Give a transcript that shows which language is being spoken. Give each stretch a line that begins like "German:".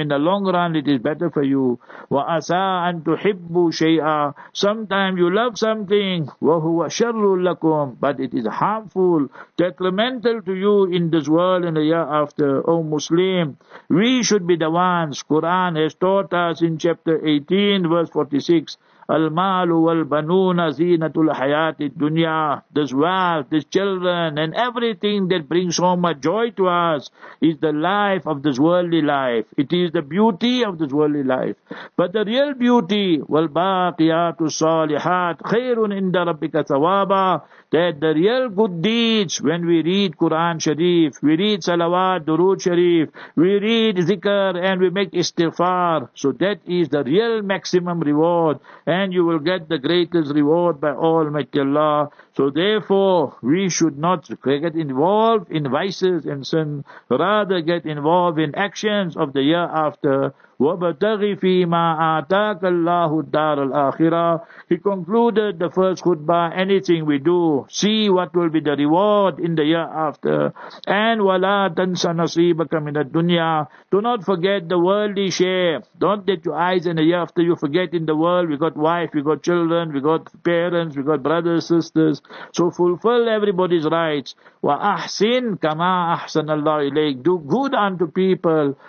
English: In the long run, it is better for you.
Arabic: Wa asa an tuhibbu shay'a.
English: Sometime you love something.
Arabic: Wa huwa sharrul lakum.
English: But it is harmful, detrimental to you in this world and the year after. O Muslim, we should be the ones. Quran has taught us in chapter 18, verse 46.
Arabic: المال والبنون زينة الحياة الدنيا.
English: This wealth, this children, and everything that brings so much joy to us is the life of this worldly life. It is the beauty of this worldly life. But the real beauty,
Arabic: والباقيات الصالحات خير عند ربك ثوابا.
English: That the real good deeds, when we read Quran Sharif, we read Salawat, Durood Sharif, we read Zikr, and we make Istighfar, so that is the real maximum reward, and you will get the greatest reward by Almighty Allah. So therefore, we should not get involved in vices and sin, rather get involved in actions of the year after.
Arabic: وَبَتَغِ فِي مَا آتَاكَ اللَّهُ الدَّارَ الْآخِرَةِ.
English: He concluded the first khutbah, anything we do, see what will be the reward in the year after.
Arabic: And وَلَا تَنْسَ نَصِيبَكَ مِنَ الدُّنْيَا.
English: Do not forget the worldly share. Don't let your eyes in the year after you forget in the world. We got wife, we got children, we got parents, we got brothers, sisters. So fulfill everybody's rights.
Arabic: وَأَحْسِنْ كَمَا أَحْسَنَ اللَّهُ إِلَيْكَ.
English: Do good unto people.